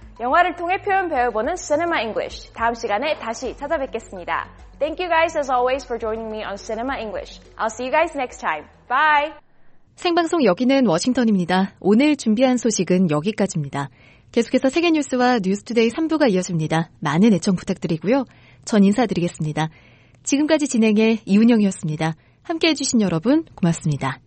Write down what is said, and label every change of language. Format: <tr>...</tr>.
<ko>영화를 통해 표현 배워보는 Cinema English. 다음 시간에 다시 찾아뵙겠습니다.</ko> <en>Thank you guys as always for joining me on Cinema English. I'll see you guys next time. Bye!</en> <ko>생방송 여기는 워싱턴입니다. 오늘 준비한 소식은 여기까지입니다. 계속해서 세계 뉴스와 뉴스투데이 3부가 이어집니다. 많은 애청 부탁드리고요. 전 인사드리겠습니다. 지금까지 진행해 이은영이었습니다. 함께해 주신 여러분 고맙습니다.</ko>